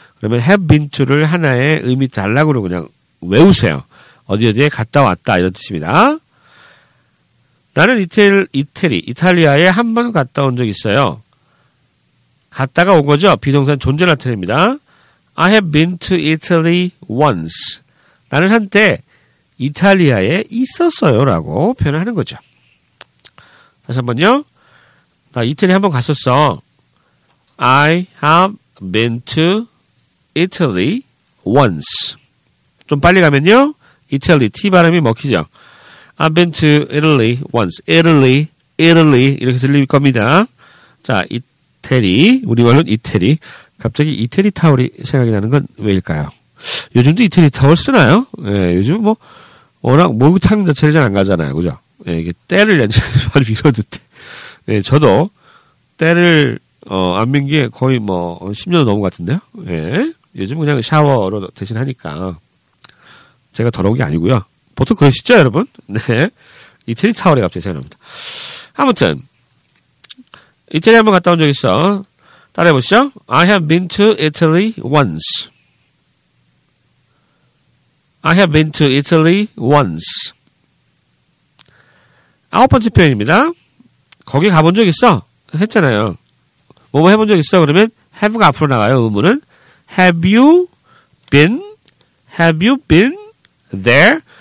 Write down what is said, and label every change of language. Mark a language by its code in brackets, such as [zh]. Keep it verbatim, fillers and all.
[ko] 그러면 [en] have been to [ko] 를 하나의 의미 단락으로 그냥 외우세요. 어디 어디에 갔다 왔다 이런 뜻입니다. 나는 이태리, 이태리, 이탈리아에 한 번 갔다 온 적이 있어요. 갔다가 온 거죠. 비동사는 존재 나타냅니다. [en] I have been to Italy once. [ko] 나는 한때 이탈리아에 있었어요라고 표현하는 거죠. 다시 한번요. 나 이태리 한번 갔었어. [en] I have been to Italy once. [ko] 좀 빨리 가면요. 이탈리 T 발음이 먹히죠. [en] I've been to Italy once. [ko] Italy, Italy 이렇게 들릴 겁니다. 자, 이태리. 우리말로는 이태리. 갑자기 이태리 타월이 생각이 나는 건 왜일까요? 요즘도 이태리 타월 쓰나요? 예, 요즘 뭐 워낙 목욕탕 자체를 잘 안 가잖아요, 그죠? 예, 이게 때를 연장 바로 밀어듣대. 예, 저도 때를 어, 안 민 게 거의 뭐 십 년 넘은 것 같은데요. 예, 요즘 그냥 샤워로 대신 하니까 제가 더러운 게 아니고요. 보통 그러시죠, 여러분? 네, 이태리 타월이 갑자기 생각납니다. 아무튼 이태리 한번 갔다 온 적 있어. 따라해 보시죠. [en] I have been to Italy once. I have been to Italy once. [ko] 아홉 번째 표현입니다. 거기 가본 적 있어 했잖아요. 뭐뭐 해본 적 있어 그러면 have가 앞으로 나가요. 의문은 [en] have you been, have you been there?